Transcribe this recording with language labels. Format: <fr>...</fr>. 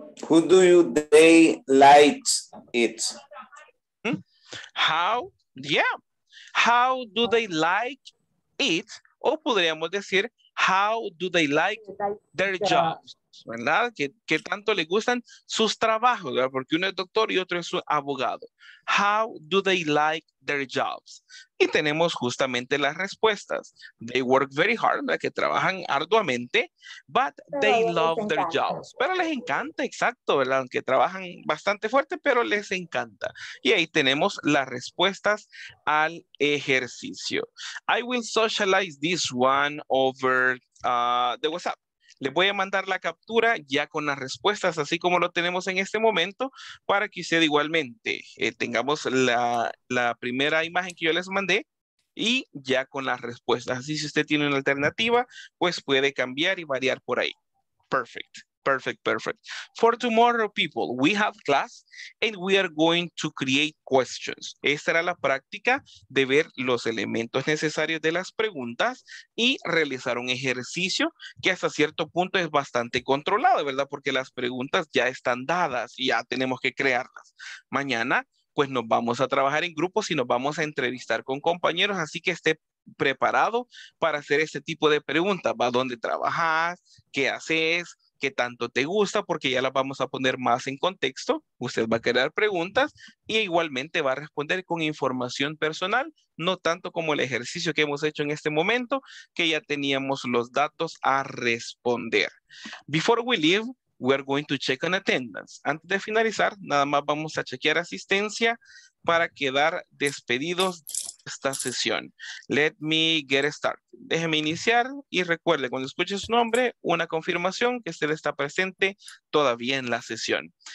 <en>Who do you they like it? How do they like it?</en> <es>O podríamos decir,</es> <en>how do they like their jobs?</en> <es>¿verdad? ¿Qué tanto le gustan sus trabajos, ¿verdad? Porque uno es doctor y otro es un abogado.</es> <en>How do they like their jobs?</en> <es>Y tenemos justamente las respuestas.</es> <en>They work very hard,</en> <es>¿verdad? Que trabajan arduamente,</es> <en>but they love their jobs.</en> <es>Pero les encanta, exacto, ¿verdad? Aunque trabajan bastante fuerte, pero les encanta. Y ahí tenemos las respuestas al ejercicio.</es> <en>I will socialize this one over the WhatsApp.</en> <es>Les voy a mandar la captura ya con las respuestas, así como lo tenemos en este momento, para que usted igualmente tengamos la primera imagen que yo les mandé y ya con las respuestas. Así si usted tiene una alternativa, pues puede cambiar y variar por ahí.</es> <en>Perfect, perfect, perfect. For tomorrow, people, we have class and we are going to create questions.</en> <es>Esta era la práctica de ver los elementos necesarios de las preguntas y realizar un ejercicio que hasta cierto punto es bastante controlado, ¿verdad? Porque las preguntas ya están dadas y ya tenemos que crearlas. Mañana, pues nos vamos a trabajar en grupos y nos vamos a entrevistar con compañeros, así que esté preparado para hacer este tipo de preguntas. ¿Va? ¿Dónde trabajas? ¿Qué haces? ¿Qué tanto te gusta? Porque ya las vamos a poner más en contexto. Usted va a crear preguntas y igualmente va a responder con información personal, no tanto como el ejercicio que hemos hecho en este momento, que ya teníamos los datos a responder.</es> <en>Before we leave, we're going to check on attendance.</en> <es>Antes de finalizar, nada más vamos a chequear asistencia para quedar despedidos esta sesión.</es> <en>Let me get started.</en> <es>Déjeme iniciar y recuerde, cuando escuche su nombre, una confirmación que usted está presente todavía en la sesión.</es>